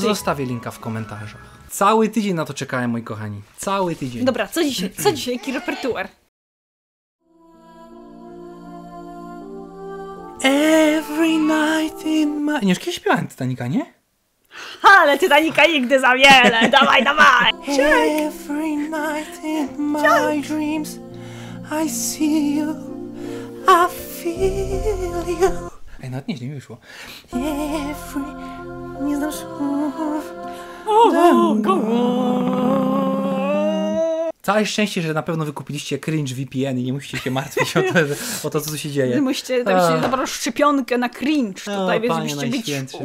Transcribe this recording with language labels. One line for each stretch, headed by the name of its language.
Polish: Zostawię linka w komentarzach. Cały tydzień na to czekałem, moi kochani. Cały tydzień. Dobra, co dzisiaj? Co dzisiaj? Jaki repertuar?
English: Every night in my...
Polish: Nie, już kiedyś śpiewałem Titanica, nie? Ale Titanica nigdy za wiele! Dawaj!
English: Every night in my dreams I see you, I feel you.
Polish: Ej, nawet nieźle mi wyszło. Every... Nie znam słów. Całe szczęście, że na pewno wykupiliście cringe VPN i nie musicie się martwić o to, co tu się dzieje. Nie musicie dać dobrą szczepionkę na cringe tutaj, więc musicie być...